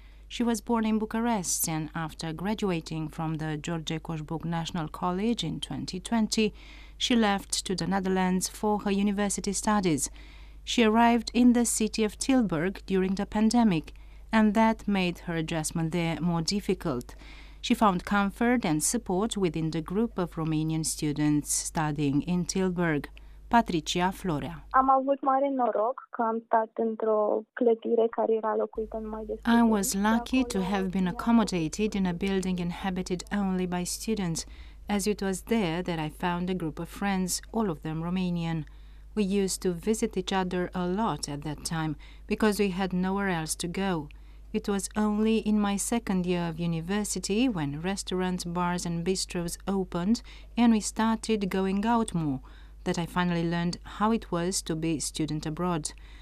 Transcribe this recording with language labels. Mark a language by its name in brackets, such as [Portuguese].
[English] She was born in Bucharest and after graduating from the George Coșbuc National College in 2020, she left to the Netherlands for her university studies. She arrived in the city of Tilburg during the pandemic, and that made her adjustment there more difficult. She found comfort and support within the group of Romanian students studying in Tilburg. Patricia Florea. [Romanian] Am avut mare noroc că am stat într-o clădire care era locuită numai de studenți. [English] I was lucky to have been accommodated in a building inhabited only by students, as it was there that I found a group of friends, all of them Romanian. We used to visit each other a lot at that time because we had nowhere else to go. It was only in my second year of university when restaurants, bars and bistros opened and we started going out more that I finally learned how it was to be student abroad.